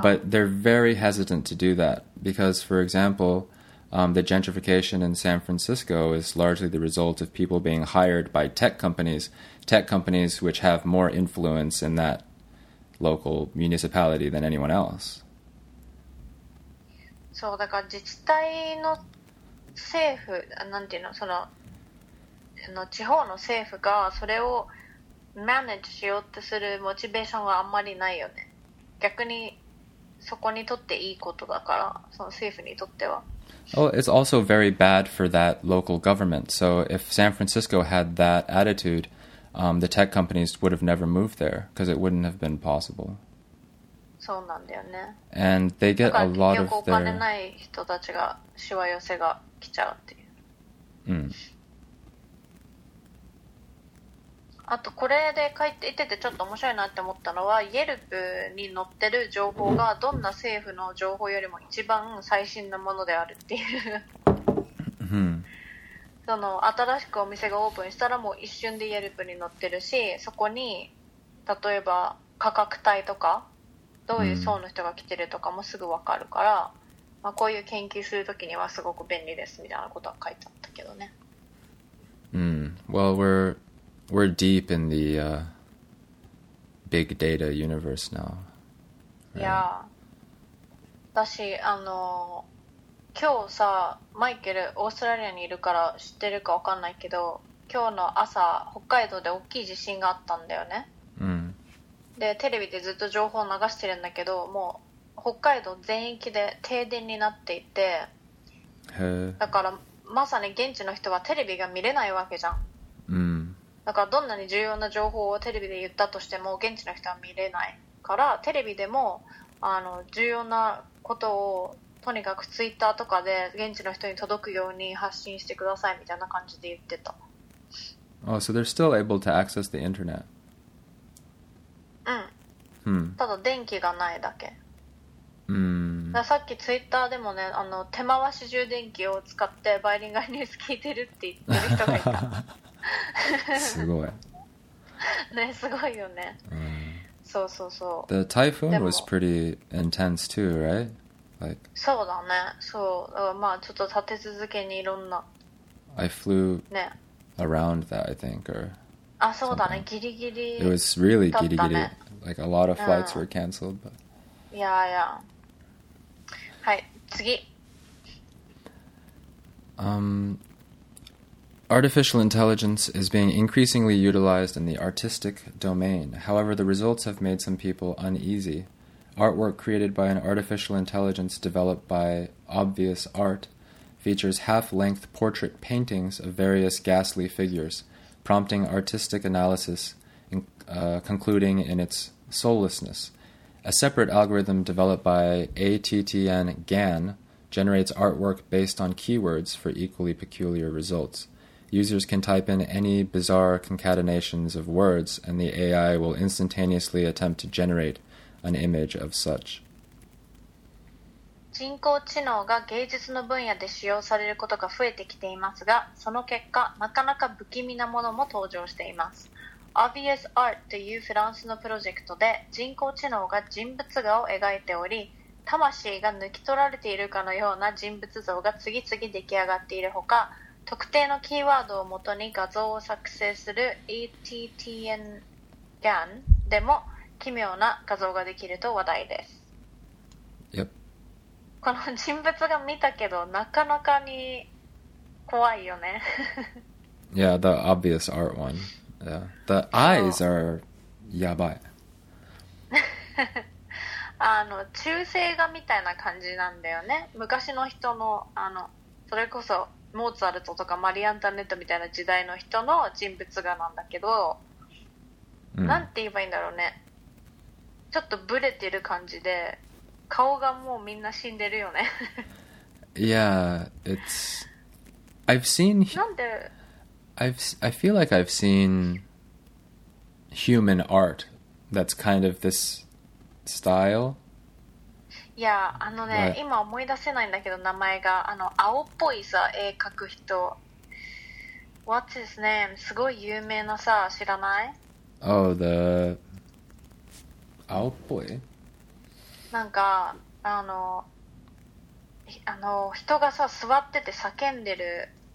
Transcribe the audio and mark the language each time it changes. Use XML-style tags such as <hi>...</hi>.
<en>But they're very hesitant to do that because, for example, the gentrification in San Francisco is largely the result of people being hired by tech companies which have more influence in that local municipality than anyone else.</en> <ja>So, だから自治体の政府、なんていうの、その地方の政府がそれをマネージしようとするモチベーションはあんまりないよね。逆にそこにとっていいことだから、その政府にとっては。</ja> <en>Oh, it's also very bad for that local government. So if San Francisco had that attitude, the tech companies would have never moved there because it wouldn't have been possible.</en> <ja>そうなんだよね。</ja> <en>And they get a lot of their...</en> <ja>お金ない人たちがしわ寄せが来ちゃうっていう。あとこれで書いていててちょっと面白いなって思ったのは Yelp に載ってる情報がどんな政府の情報よりも一番最新のものであるっていう、その新しくお店がオープンしたらもう一瞬で Yelp に載ってるしそこに例えば価格帯とかどういう層の人が来てるとかもすぐ分かるから、まあ、こういう研究するときにはすごく便利ですみたいなことは書いてあったけどね、</ja> <en>Well, we're deep in the big data universe now. Right? Yeah.</en> <ja>だし、今日さ、マイケル、オーストラリアにいるから知ってるか分かんないけど、今日の朝、北海道で大きい地震があったんだよね。で、テレビでずっと情報を流してるんだけど、もう北海道全域で停電になっていて、だからまさに現地の人はテレビが見れないわけじゃん。だからどんなに重要な情報をテレビで言ったとしても現地の人は見れないからテレビでも重要なことをとにかくツイッターとかで現地の人に届くように発信してくださいみたいな感じで言ってた。</ja> <en>Oh, so they're still able to access the internet.</en> <ja>ただ電気がないだけ。ださっきツイッターでもね手回し充電器を使ってバイリンガルニュース聞いてるって言ってる人がいた。すごい。ね、すごいよね。そうそうそう。</ja> <en>The typhoon was pretty intense too, right? Like,</en> <ja>そうだね。そう。まあちょっと立て続けにいろんな。</ja> <en>I flew around that, I think, or.</en> <ja>あ、そうだね。ギリギリ。</ja> <en>It was really ギリギリ。 Like a lot of flights were canceled, but.</en> <ja>いやいや。はい、次。</ja> <en>Artificial intelligence is being increasingly utilized in the artistic domain. However, the results have made some people uneasy. Artwork created by an artificial intelligence developed by Obvious Art features half-length portrait paintings of various ghastly figures, prompting artistic analysis, concluding in its soullessness. A separate algorithm developed by ATTN GAN generates artwork based on keywords for equally peculiar results. Users can type in any bizarre concatenations of words, and the AI will instantaneously attempt to generate an image of such.</en> <ja>人工知能が芸術の分野で使用されることが増えてきていますが、その結果、なかなか不気味なものも登場しています。 Obvious Art というフランスのプロジェクトで、人工知能が人物画を描いており、魂が抜き取られているかのような人物像が次々出来上がっているほか、特定のキーワードをもとに画像を作成する ATTN GAN でも奇妙な画像ができると話題です。</ja> <en>Yep.</en> <ja>この人物が見たけどなかなかに怖いよね。</ja> <en>Yeah, the obvious art one. Yeah. The eyes are やばい。</en> <ja>あの中世画みたいな感じなんだよね。昔の人 の, あのそれこそモーツァルトとかマリアンタネットみたいな時代の人の人物画なんだけど、うん、なんて言えばいいんだろうね、ちょっとブレてる感じで顔がもうみんな死んでるよね。</ja> <en>Yeah, it's I've seen</en> <ja>なんで</ja> <en>I feel like I've seen human art that's kind of this style.</en> <ja>いや、あのね、今思い出せないんだけど名前が、あの青っぽいさ絵描く人、</ja> <en>What's his name?</en> <ja>すごい有名なさ、知らない？</ja> <en>Oh, the 青っぽい、</en> <ja>なんかあの人がさ座ってて叫んでる、</ja>